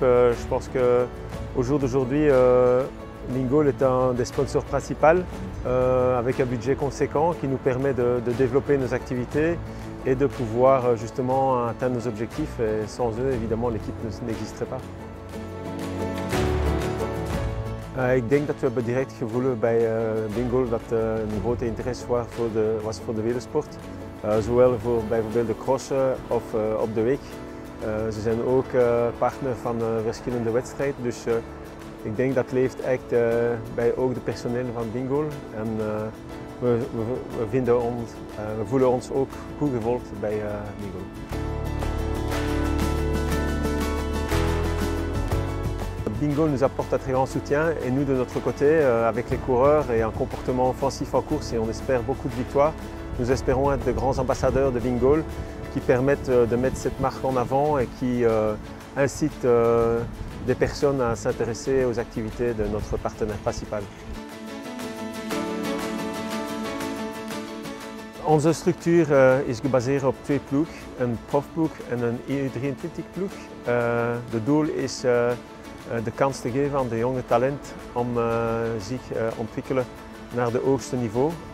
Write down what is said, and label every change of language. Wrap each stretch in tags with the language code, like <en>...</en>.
<fr>Je pense qu'au jour d'aujourd'hui, Bingo est un des sponsors principaux avec un budget conséquent qui nous permet de développer nos activités et de pouvoir justement atteindre nos objectifs. Et sans eux, évidemment, l'équipe n'existerait pas.</fr> <nl>Ik denk dat we hebben direct gevoeld bij Bingo dat er een grote interesse was voor de wielersport. Zowel voor bijvoorbeeld de crossen of op de weg. Ze zijn ook partner van verschillende wedstrijden. Dus ik denk dat leeft echt bij ook de personeel van Bingo. En we voelen ons ook goed gevolgd bij Bingo.</nl> <fr>Bingo nous apporte un très grand soutien et nous de notre côté, avec les coureurs et un comportement offensif en course et on espère beaucoup de victoires, nous espérons être de grands ambassadeurs de Bingo qui permettent de mettre cette marque en avant et qui incitent des personnes à s'intéresser aux activités de notre partenaire principal.</fr> <nl>Onze structuur is gebaseerd op twee ploegen, een profploeg en een EU23 ploeg. De doel is de kans te geven aan de jonge talent om zich te ontwikkelen naar de hoogste niveau.</nl>